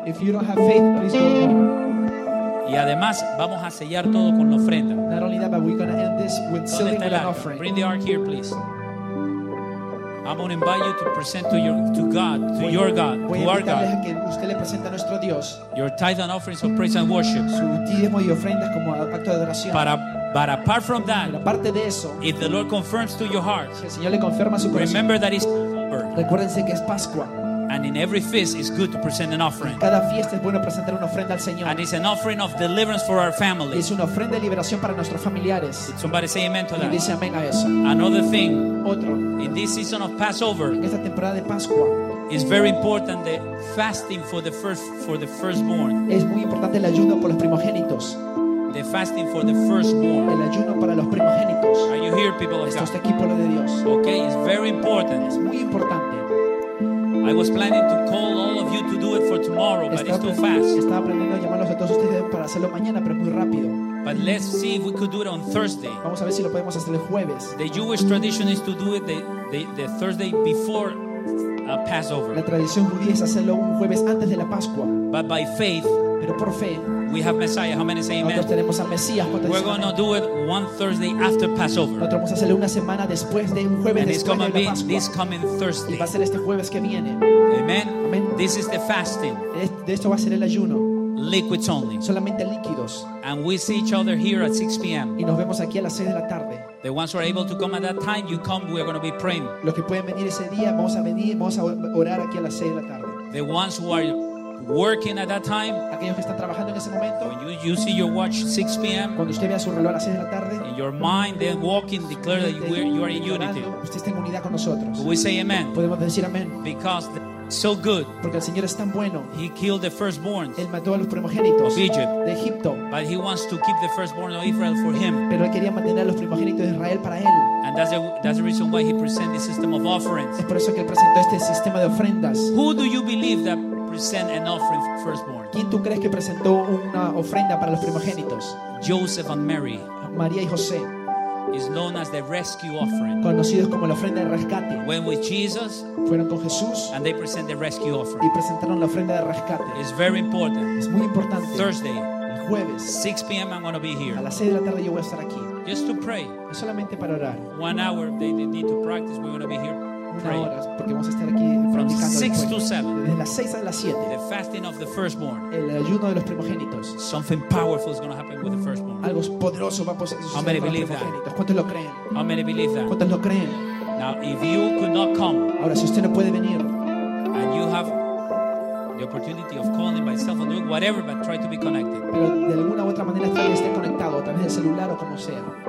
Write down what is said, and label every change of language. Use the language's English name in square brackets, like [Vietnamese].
[English] If you don't have faith, please go home. [Spanish] Y además vamos a sellar todo con la ofrenda. [English] Not only that, but we're gonna end this with sealing with an offering. Bring the ark here, please. I'm gonna invite you to present to your God, [Spanish] a que usted le presente a nuestro Dios. [English] Your tithe and offerings of praise and worship. [Spanish] Su diezmo y ofrendas como acto de adoración. [English] But apart from that, [Spanish] aparte de eso, [English] if the Lord confirms to your heart, [Spanish] si el Señor le confirma su corazón, [English] remember that it's [Spanish] recuérdense que es Pascua. [English] And in every feast, it's good to present an offering. [Spanish] Cada fiesta es bueno presentar una ofrenda al Señor. [English] And it's an offering of deliverance for our family. [Spanish] Es una ofrenda de liberación para nuestros familiares. [English] Somebody say amen to that. [Spanish] Y dice amén a eso. [English] Another thing. [Spanish] Otro. [English] In this season of Passover. [Spanish] En esta temporada de Pascua. [English] It's very important the fasting for the firstborn. [Spanish] Es muy importante el ayuno por los primogénitos. [English] The fasting for the firstborn. [Spanish] El ayuno para los primogénitos. [English] Are you here, people of God? [Spanish] Esto está aquí, pueblo de Dios. [English] Okay, it's very important. [Spanish] Es muy importante. [English] I was planning to call all of you to do it for tomorrow, but it's too fast. [Spanish] Estaba planeando llamarlos a todos ustedes para hacerlo mañana, pero es muy rápido. [English] But let's see if we could do it on Thursday. [Spanish] Vamos a ver si lo podemos hacer el jueves. [English] The Jewish tradition is to do it the Thursday before Passover. [Spanish] La tradición judía es hacerlo un jueves antes de la Pascua. [English] But by faith, [Spanish] pero por fe, [English] we have Messiah. How many say amen? [Spanish] Nosotros tenemos al Mesías. [English] We're going to do it one Thursday after Passover. [Spanish] Nosotros vamos a hacerlo una semana después de un jueves después de la Pascua. [English] And it's going to be this coming Thursday. [Spanish] Y va a ser este jueves que viene. Amen. Amen. [English] This is the fasting. [Spanish] De esto va a ser el ayuno. [English] Liquids only. [Spanish] Solamente líquidos. [English] And we see each other here at 6 p.m. [Spanish] Y nos vemos aquí a las 6 de la tarde. [English] The ones who are able to come at that time, you come. We are going to be praying. [Spanish] Los que pueden venir ese día, vamos a venir, vamos a orar aquí a las 6 de la tarde. [English] The ones who are working at that time, [Spanish] aquellos que están trabajando en ese momento, [English] when you see your watch 6 p.m. [Spanish] cuando usted vea su reloj a las 6 de la tarde, [English] in your mind then walking declare that you are in unity. [Spanish] Usted está en unidad con nosotros. [English] We say amen. [Spanish] Podemos decir amén. [English] Because so good. [Spanish] Porque el Señor es tan bueno. [English] He killed the firstborn. [Spanish] Él mató a los primogénitos [English] of Egypt. [Spanish] De Egipto. [English] But he wants to keep the firstborn of Israel for him. [Spanish] Pero él quería mantener a los primogénitos de Israel para él. [English] And that's the reason why he presented this system of offerings. [Spanish] Es por eso que él presentó este sistema de ofrendas. [English] Who do you believe that present an offering for firstborn? [Spanish] ¿Quién tú crees que presentó una ofrenda para los primogénitos? [English] Joseph and Mary. [Spanish] María y José. [English] Is known as the rescue offering. [Spanish] Conocidos como la ofrenda de rescate. [English] Went with Jesus. [Spanish] Fueron con Jesús. [English] And they present the rescue offering. [Spanish] Y presentaron la ofrenda de rescate. [English] It's very important. [Spanish] Es muy importante. [English] Thursday. [Spanish] El jueves. [English] 6 p.m. I'm going to be here. [Spanish] A las 6 de la tarde yo voy a estar aquí. [English] Just to pray. [Spanish] Es solamente para orar. [English] 1 hour. They need to practice. We're going to be here. [Spanish] Porque vamos a estar aquí [English] from 6 to 7. [Spanish] Desde las 6 a las 7. [English] The fasting of the firstborn. [Spanish] El ayuno de los primogénitos. [English] Something powerful is going to happen with the firstborn. [Spanish] Algo poderoso va a suceder con los primogénitos. ¿Cuántos lo creen? [English] How many believe that? [Spanish] ¿Cuántos lo creen? [English] Now, if you could not come, [Spanish] ahora si usted no puede venir, [English] and you have the opportunity of calling by cell phone, doing whatever, but try to be connected. [Spanish] Pero de alguna u otra manera tiene que estar conectado, a través del celular o como sea.